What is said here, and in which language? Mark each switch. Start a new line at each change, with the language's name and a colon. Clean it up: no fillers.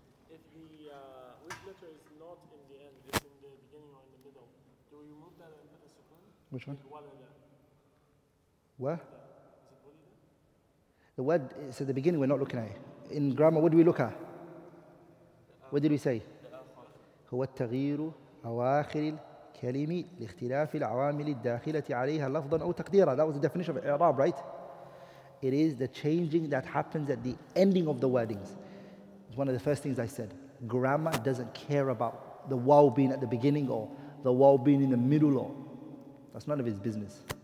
English: If the which letter is not in the end, it's in the beginning or in the middle, do we remove that and put a sukun? Which one? Where? The word, it's at the beginning, we're not looking at it. In grammar, what do we look at? What did we say?
Arabic: هو التغيير أواخر الكلم لاختلاف العوامل الداخلة عليها لفظا أو تقديرا.
English: That was the definition of إعراب, right? It is the changing that happens at the ending of the wordings. It's one of the first things I said. Grammar doesn't care about the waw being at the beginning or the waw being in the middle. Or that's none of its business.